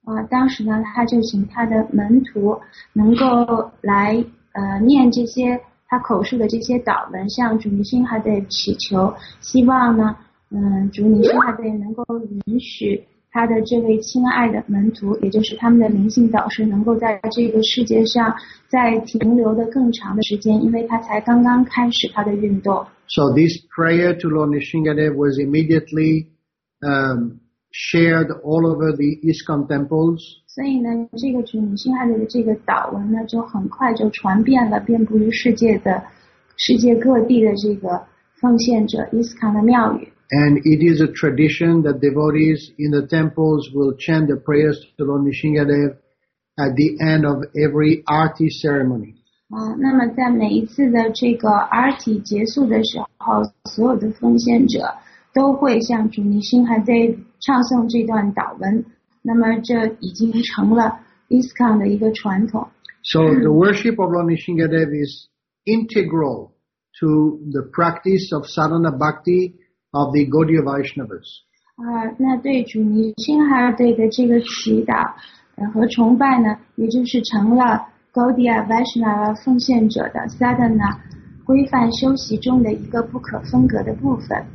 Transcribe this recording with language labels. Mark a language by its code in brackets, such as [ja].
[zh] 当时呢，他就请他的门徒能够来念这些他口述的这些祷文，向主Nrisimhadev祈求，希望呢，主Nrisimhadev能够允许他的这位亲爱的门徒，也就是他们的灵性导师，能够在这个世界上再停留的更长的时间，因为他才刚刚开始他的运动。 [en] So this prayer to Lord Nrisimhadev was immediately. Shared all over the ISKCON temples. [zh] 所以呢，这个主女星海贝的这个祷文呢，就很快就传遍了，遍布于世界各地的这个奉献者 ISKCON 的庙宇。 [en] And it is a tradition that devotees in the temples will chant the prayers to Lord Nrisimhadev at the end of every arti ceremony. [zh] 那么在每一次的这个 arti 结束的时候，所有的奉献者。都会向主尼辛哈德唱诵这段祷文，那么这已经成了 ISKCON 的一个传统。 [en] So the worship of Lord Nrisimhadev is integral to the practice of sadhana bhakti of the Gaudiya Vaishnavas. [zh] 那对主，你亲孩儿对的这个祈祷和崇拜呢，也就是成了 Gaudiya Vaishnava 奉献者的 Sadhana 规范修习中的一个不可分割的部分。